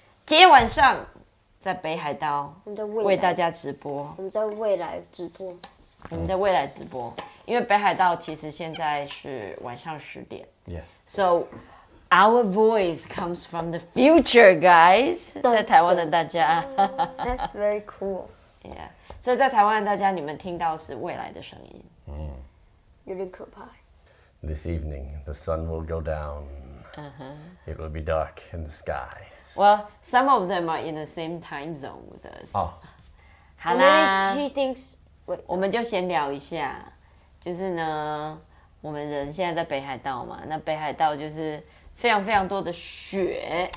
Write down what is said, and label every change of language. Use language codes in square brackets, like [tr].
[zh] 今天晚上在北海道为大家直播，我们在未来直播，我们在未来直播，因为北海道其实现在是晚上十点。 [en] Yeah. So our voice comes from the future, guys. [zh] 在台湾的大家。 [en] That's very cool. Yeah. [zh] 所以在台湾的大家，你们听到是未来的声音。有点可怕。 [en] This evening, the sun will go down. It will be dark in the skies. Well, some of them are in the same time zone with us. Oh. [zh] 好啦 [en] she thinks... [zh] Wait, 我们就先聊一下。就是呢我们人现在在北海道嘛那北海道就是非常非常多的雪。